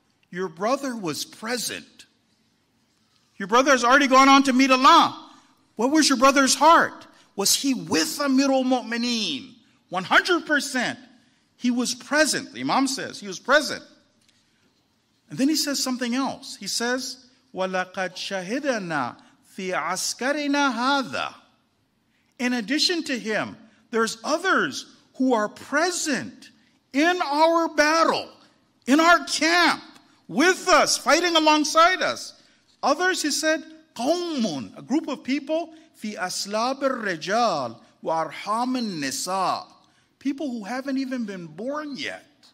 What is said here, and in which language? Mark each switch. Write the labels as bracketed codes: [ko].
[en] Your brother was present. Your brother has already gone on to meet Allah. What was your brother's heart? Was he with Amir al-Mu'mineen? 100%. He was present. The Imam says he was present. And then he says something else. He says, [ar] وَلَقَدْ شَهِدَنَا فِي عَسْكَرِنَا هَذَا. [en] In addition to him, there's others who are present in our battle, in our camp, with us, fighting alongside us. Others, he said, قَوْمٌ, a group of people, [ar] فِي أَسْلَابِ الرِّجَالِ وَأَرْحَامِ النِّسَاءِ, [en] people who haven't even been born yet.